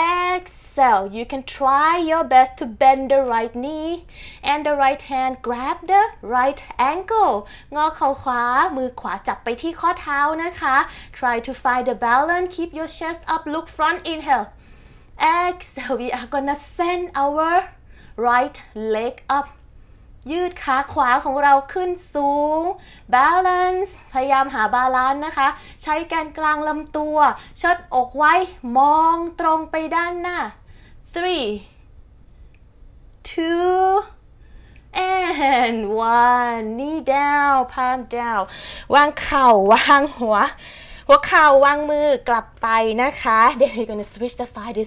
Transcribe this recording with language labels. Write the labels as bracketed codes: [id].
[en] Exhale, you can try your best to bend the right knee and the right hand grab the right ankle. งอเข่าขวามือขวาจับไปที่ข้อเท้านะคะ Try to find the balance, keep your chest up, look front, inhale. Exhale, we are gonna send our right leg up. [th] ยืดขาขวาของเราขึ้นสูง Balance, พยายามหาบาลานซ์นะคะใช้แกนกลางลำตัวเชิดอกไว้มองตรงไปด้านหน้า 3 2 and 1 Knee down, palm down วางเข่าวางหัวหัวเข่าวางมือกลับไปนะคะ Then we're gonna switch the side.